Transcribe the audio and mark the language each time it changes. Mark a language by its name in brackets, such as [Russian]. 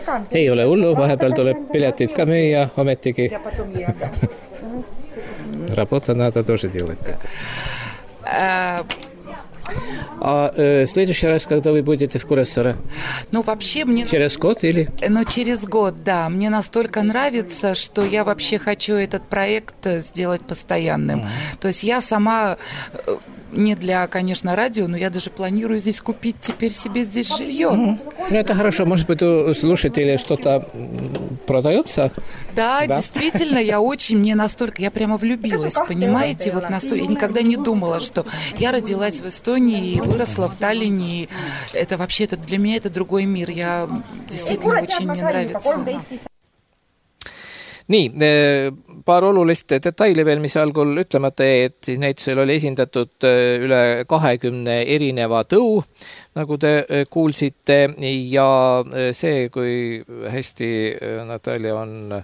[Estonian] Ei ole hullu, vahepeal tuleb piletid ka müüa, ometigi. [Russian] Работа надо тоже делать. А в следующий раз, когда вы будете в Коре Саре? Ну, вообще мне... Через год или? Ну, через год, да. Мне настолько нравится, что я вообще хочу этот проект сделать постоянным. То есть я сама... Не для, конечно, радио, но я даже планирую здесь купить теперь себе здесь жилье. Ну, это хорошо. Может быть, у слушателей что-то продается? Да, действительно, я очень, мне настолько, я прямо влюбилась, понимаете? Вот настолько, я никогда не думала, что я родилась в Эстонии и выросла в Таллине. И это вообще-то для меня это другой мир. Я действительно очень мне нравится. [Estonian] Nii, paar olulist detaili veel, mis algul ütlemata jäi, et siis näitusel oli esindatud üle 20 erineva tõu, nagu te kuulsite, ja see, kui hästi Natalia on